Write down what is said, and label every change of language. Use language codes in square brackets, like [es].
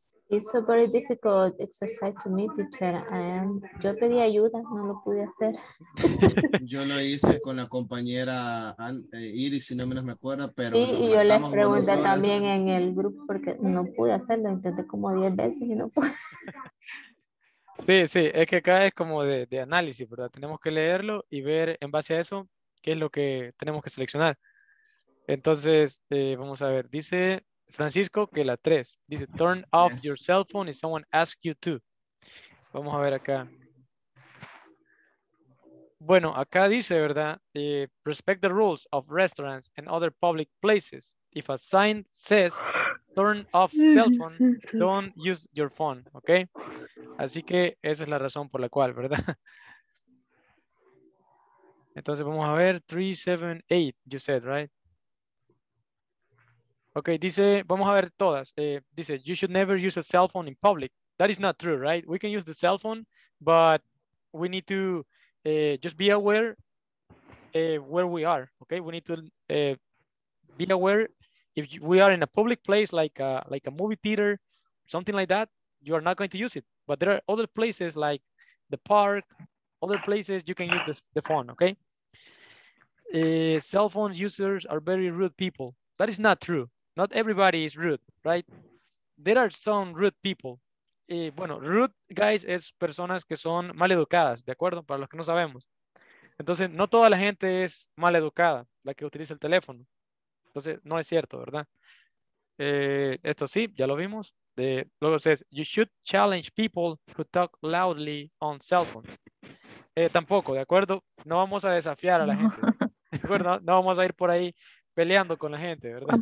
[en] It's a very difficult exercise to me, teacher. [es] Yo pedí ayuda, no lo pude hacer. Yo lo hice con la compañera Iris, si no menos me acuerdo, pero... Sí, y yo les pregunté también en el grupo porque no pude hacerlo, intenté como 10 veces y no pude. Sí, sí, es que acá es como de análisis, ¿verdad? Tenemos que leerlo y ver en base a eso qué es lo que tenemos que seleccionar. Entonces, vamos a ver, dice... Francisco, que la 3. [en] Dice, turn off your cell phone if someone asks you to. [es] Vamos a ver acá. Bueno, acá dice, ¿verdad? [en] Respect the rules of restaurants and other public places. If a sign says, turn off cell phone, don't use your phone. ¿Ok? [es] Así que esa es la razón por la cual, ¿verdad? Entonces vamos a ver. 3, 7, 8, [en] you said, right? [es] Okay, dice, vamos a ver todas. [en] Dice, you should never use a cell phone in public. That is not true, right? We can use the cell phone, but we need to just be aware where we are, okay? We need to be aware if we are in a public place like a movie theater, something like that, you are not going to use it. But there are other places like the park, other places you can use the phone, okay? Cell phone users are very rude people. That is not true. Not everybody is rude, right? There are some rude people. [es] Bueno, rude, guys, es personas que son maleducadas, ¿de acuerdo? Para los que no sabemos. Entonces, no toda la gente es maleducada, la que utiliza el teléfono. Entonces, no es cierto, ¿verdad? Esto sí, ya lo vimos. [en] Luego says, you should challenge people who talk loudly on cell phones. [es] Tampoco, ¿de acuerdo? No vamos a desafiar a la gente, ¿de acuerdo? No vamos a ir por ahí peleando con la gente, ¿verdad?